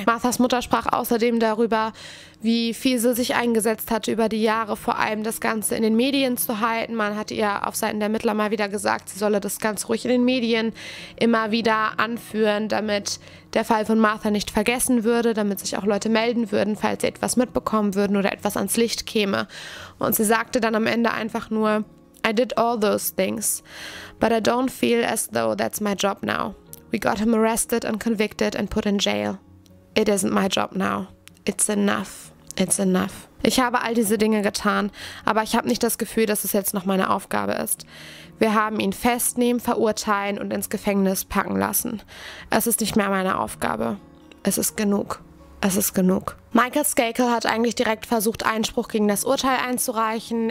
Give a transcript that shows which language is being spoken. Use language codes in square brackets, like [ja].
[de] Marthas Mutter sprach außerdem darüber, wie viel sie sich eingesetzt hatte über die Jahre, vor allem das Ganze in den Medien zu halten. Man hat ihr auf Seiten der Ermittler mal wieder gesagt, sie solle das ganz ruhig in den Medien immer wieder anführen, damit der Fall von Martha nicht vergessen würde, damit sich auch Leute melden würden, falls sie etwas mitbekommen würden oder etwas ans Licht käme. Und sie sagte dann am Ende einfach nur, [en] I did all those things, but I don't feel as though that's my job now. We got him arrested and convicted and put in jail. It isn't my job now. It's enough. It's enough. [de] Ich habe all diese Dinge getan, aber ich habe nicht das Gefühl, dass es jetzt noch meine Aufgabe ist. Wir haben ihn festnehmen, verurteilen und ins Gefängnis packen lassen. Es ist nicht mehr meine Aufgabe. Es ist genug. Es ist genug. Michael Skakel hat eigentlich direkt versucht, Einspruch gegen das Urteil einzureichen.